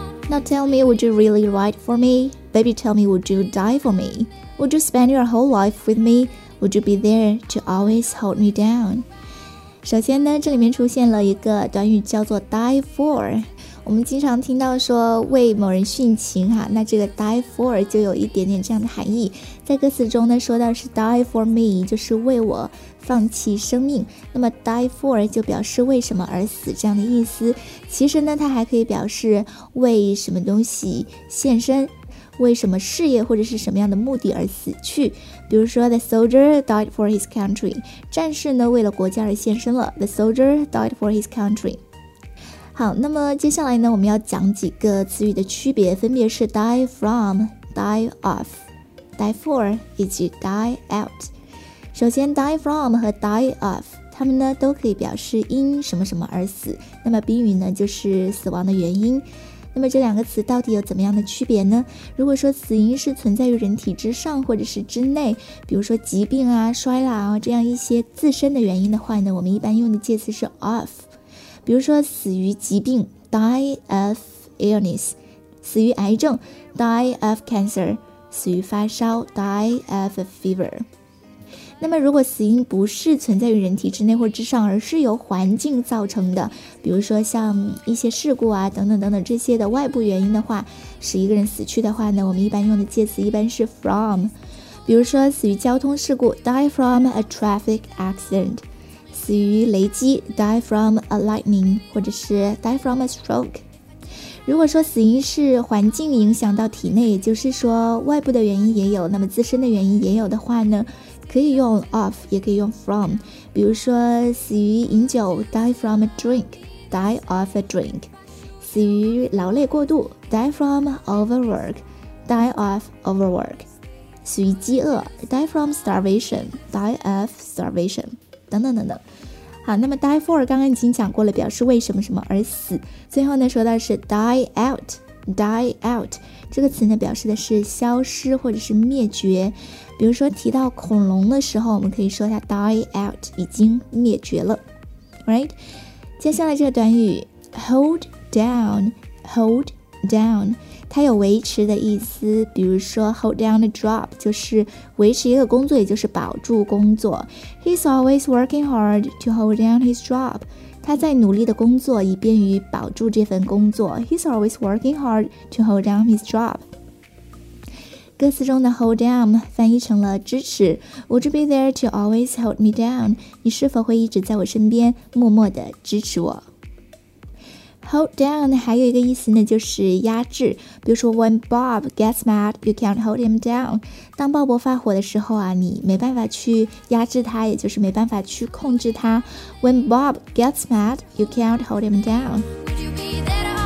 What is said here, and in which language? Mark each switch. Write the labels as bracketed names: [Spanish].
[English] Now tell me, would you really ride for me? Baby, tell me, would you die for me? Would you spend your whole life with me? Would you be there to always hold me down? [Chinese] 首先呢，这里面出现了一个短语叫做 [English] die for。 [Chinese] 我们经常听到说为某人殉情哈、那这个 die for 就有一点点这样的含义。在歌词中呢，说到是 die for me， 就是为我放弃生命，那么 die for 就表示为什么而死这样的意思。其实呢，它还可以表示为什么东西献身，为什么事业或者是什么样的目的而死去。 [English] 比如说 the soldier died for his country， [Chinese] 战士呢为了国家而献身了， [English] the soldier died for his country。 [Chinese] 好，那么接下来呢，我们要讲几个词语的区别，分别是 die from、 die of、 die for 以及 die out。首先 die from 和 die of 它们呢都可以表示因什么什么而死，那么宾语呢就是死亡的原因。那么这两个词到底有怎么样的区别呢？如果说死因是存在于人体之上或者是之内，比如说疾病啊、衰老啊这样一些自身的原因的话呢，我们一般用的介词是 of。比如说死于疾病 [English] die of illness， [Chinese] 死于癌症 [English] die of cancer， [Chinese] 死于发烧 [English] die of fever。 [Chinese] 那么如果死因不是存在于人体之内或之上，而是由环境造成的，比如说像一些事故啊等等等等这些的外部原因的话，使一个人死去的话呢，我们一般用的介词一般是 from。比如说死于交通事故 [English] die from a traffic accident， [Chinese] 死于雷击 [English] die from a lightning， [Chinese] 或者是 [English] die from a stroke。 [Chinese] 如果说死因是环境影响到体内，也就是说外部的原因也有，那么自身的原因也有的话呢，可以用 of 也可以用 from。比如说死于饮酒 [English] die from a drink， die of a drink。 [Chinese] 死于劳累过度 [English] die from overwork， die of overwork。 [Chinese] 死于饥饿 [English] die from starvation， die of starvation [Chinese] 等等等等。好，那么 die for 刚刚已经讲过了，表示为什么什么而死。最后呢，说到是 die out 这个词呢，表示的是消失或者是灭绝。比如说提到恐龙的时候，我们可以说它 die out， 已经灭绝了， right？接下来这个短语 hold down 它有维持的意思，比如说 hold down a job 就是维持一个工作，也就是保住工作。 [English] He's always working hard to hold down his job， [Chinese] 他在努力的工作以便于保住这份工作。 [English] He's always working hard to hold down his job。 [Chinese] 歌词中的 hold down 翻译成了支持， [English] Would you be there to always hold me down， [Chinese] 你是否会一直在我身边默默地支持我。 Hold down 还有一个意思呢，就是压制。比如说 [English] When Bob gets mad, you can't hold him down， [Chinese] 当鲍勃发火的时候啊，你没办法去压制他，也就是没办法去控制他。 [English] When Bob gets mad, you can't hold him down。